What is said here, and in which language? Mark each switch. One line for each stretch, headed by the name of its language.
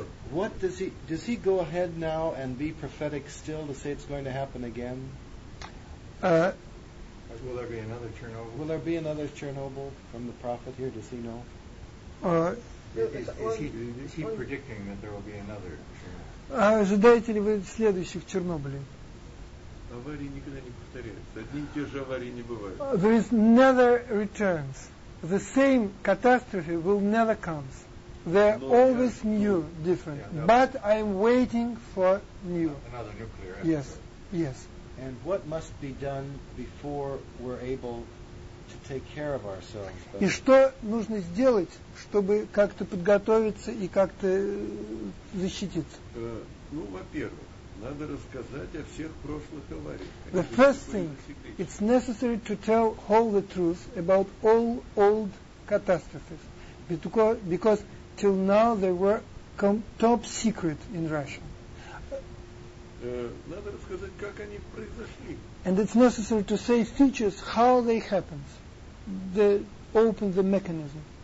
English: What does he go ahead now and be prophetic still to say it's going to happen again? Will there be another Chernobyl? Will there be another Chernobyl from the prophet here? Does he know? Is he predicting that there will be another Chernobyl?
Russian: Ожидаете ли вы следующих Чернобылей? Аварии никогда не повторяются. Одни и те же аварии не бывают.
English: There is never returns. The same catastrophe will never come. They're always new, different. But I'm waiting for new. Another nuclear episode. Yes. And what must be done before we're able to take care of ourselves?
Russian: И что нужно сделать, чтобы как-то подготовиться и как-то защититься? Ну, во-первых, надо рассказать о всех прошлых авариях.
English: The first thing, it's necessary to tell all the truth about all old catastrophes, because till now they were top secret in Russia.
Russian: Надо рассказать, как они произошли.
English: And it's necessary to say features, how they happened, the open the mechanism.